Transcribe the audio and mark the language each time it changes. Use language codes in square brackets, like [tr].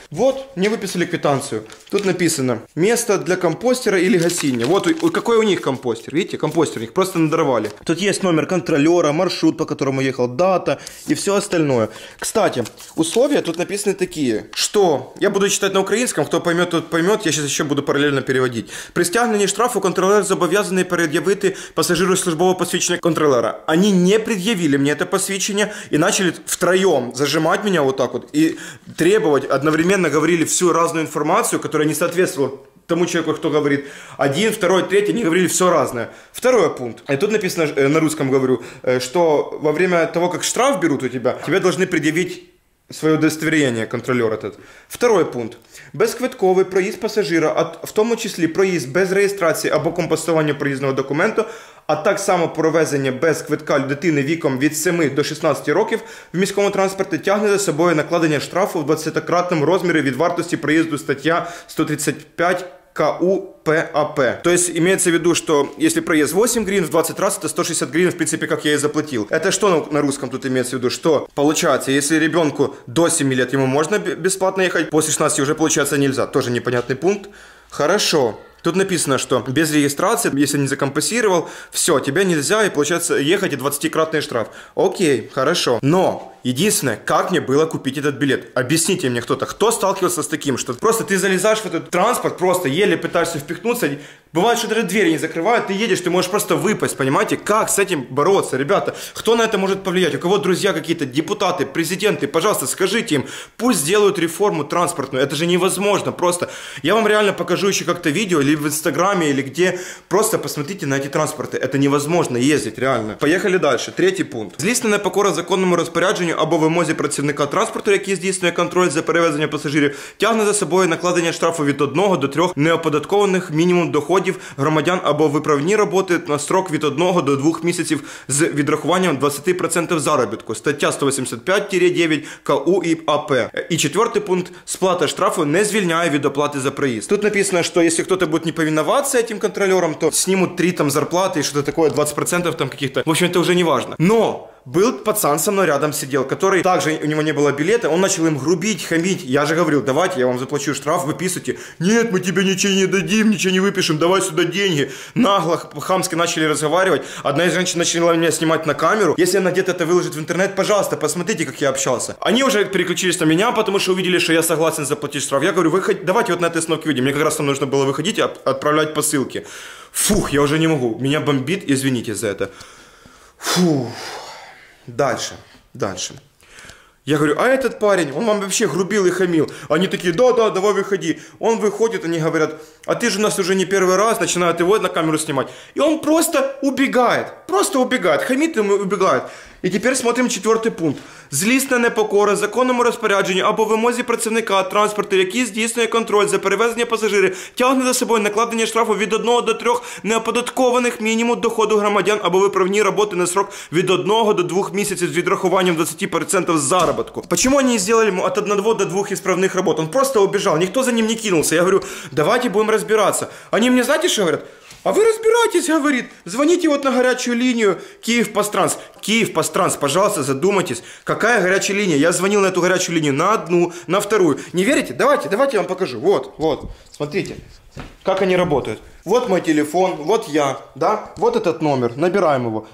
[ru] Вот, мне выписали квитанцию, тут написано, место для компостера или гасильня. Вот, какой у них компостер, видите, компостер у них, просто надорвали. Тут есть номер контролера, маршрут, по которому ехал, дата и все остальное. Кстати, условия тут написаны такие, что, я буду читать на украинском, кто поймет, тот поймет, я сейчас еще буду параллельно переводить. [uk] При стягнении штрафу контролер зобов'язаны пред'явити пасажиру службове посвідчення контролера. [ru] Они не пред'явили мне это посвідчення и начали втроем зажимать меня вот так вот и требовать, одновременно говорили всю разную информацию, которая не соответствовала тому человеку, кто говорит один, второй, третий, они говорили все разное. Второй пункт. И тут написано, на русском говорю, что во время того, как штраф берут у тебя, тебе должны предъявить свое удостоверение, контролер этот. Второй пункт. [uk] Безквитковый проезд пассажира, в том числе проезд без регистрации або компостования проездного документа, а так само провезення без квитка дитини віком від 7 до 16 років в міському транспорті тягне за собою накладення штрафу в 20-кратному розмірі від вартості проїзду, стаття 135 КУ ПАП. [ru] То есть имеется в виду, что если проезд 8 гривен, в 20 раз это 160 гривен, в принципе, как я и заплатил. Это что на русском тут имеется в виду? Что получается, если ребенку до 7 лет ему можно бесплатно ехать, после 16 уже получается нельзя. Тоже непонятный пункт. Хорошо. Тут написано, что без регистрации, если не закомпенсировал, все, тебе нельзя и получается ехать и 20-кратный штраф. Окей, хорошо. Но Единственное, как мне было купить этот билет? Объясните мне кто-то, кто сталкивался с таким, что просто ты залезаешь в этот транспорт, просто еле пытаешься впихнуться. Бывает, что даже двери не закрывают, ты едешь, ты можешь просто выпасть, понимаете? Как с этим бороться, ребята? Кто на это может повлиять? У кого друзья какие-то, депутаты, президенты? Пожалуйста, скажите им, пусть сделают реформу транспортную. Это же невозможно просто. Я вам реально покажу еще как-то видео, или в Инстаграме, или где. Просто посмотрите на эти транспорты. Это невозможно ездить, реально. Поехали дальше. Третий пункт. [uk] Злісна непокора законному розпорядженню або вимозі працівника транспорту, який здійснює контроль за перевезення пасажирів, тягне за собою накладення штрафу від 1 до 3 неоподаткованих мінімум доходів громадян або виправні роботи на строк від 1 до 2 місяців з відрахуванням 20% заробітку. Стаття 185-9 КУ і АП. І четвертий пункт. Сплата штрафу не звільняє від оплати за проїзд. Тут написано, що якщо хтось буде не повиноватися цим контролером, то знімуть 3 там зарплати і щось таке, 20% там каких-то. В общем, це вже не важливо. [ru] Но был пацан со мной рядом сидел, который также у него не было билета, он начал им грубить, хамить. Я же говорил, давайте я вам заплачу штраф, выписывайте. Нет, мы тебе ничего не дадим, ничего не выпишем, давай сюда деньги. Нагло, хамски начали разговаривать. Одна из женщин начала меня снимать на камеру. Если она где-то это выложит в интернет, пожалуйста, посмотрите, как я общался. Они уже переключились на меня, потому что увидели, что я согласен заплатить штраф. Я говорю, давайте вот на этой остановке выйдем. Мне как раз там нужно было выходить и отправлять посылки. Фух, я уже не могу, меня бомбит, извините за это. Фух. Дальше. Я говорю, а этот парень, он вам вообще грубил и хамил. Они такие, да, давай выходи. Он выходит, они говорят, а ты же у нас уже не первый раз, начинают его на камеру снимать. И он просто убегает, хамит ему и убегает. И теперь смотрим четвертый пункт. [uk] Злісна непокора законному розпорядженню або вимозі працівника транспорту, який здійснює контроль за перевезення пасажирів, тягне за собою накладення штрафу від 1 до 3 неоподаткованих мінімум доходу громадян або виправні роботи на срок від 1 до 2 місяців з відрахуванням 20% заробітку. Чому вони зробили йому від 1 до 2 исправних робот? Він просто убіжав, ніхто за ним не кинувся. Я говорю, давайте будемо розбиратися. Вони мені, знаєте, що говорять? [ru] А вы разбирайтесь, говорит, звоните вот на горячую линию Киев-Пастранс. Киев-Пастранс, пожалуйста, задумайтесь, какая горячая линия. Я звонил на эту горячую линию, на одну, на вторую. Не верите? Давайте я вам покажу. Вот, смотрите, как они работают. Вот мой телефон, вот я, да, вот этот номер, набираем его.